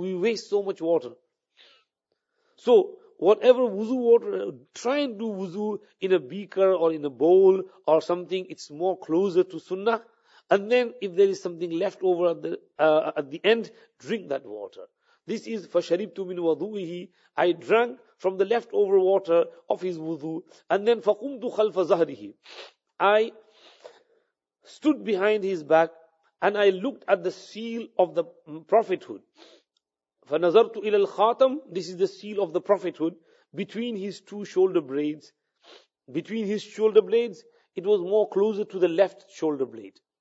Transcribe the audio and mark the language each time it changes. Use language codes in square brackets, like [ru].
[en] We waste so much water. So, whatever wuzu water, try and do wuzu in a beaker or in a bowl or something, it's more closer to sunnah. And then, if there is something left over at the end, drink that water. This is, [ar] فَشَرِبْتُ مِنْ وَضُوِهِ. [en] I drank from the leftover water of his wuzu. And then, [ar] فَقُمْتُ خَلْفَ زَهْرِهِ. [en] I stood behind his back and I looked at the seal of the prophethood. [ar] فَنَظَرْتُ إِلَى الْخَاتَمِ. [en] This is the seal of the prophethood. Between his two shoulder blades, between his shoulder blades, it was more closer to the left shoulder blade.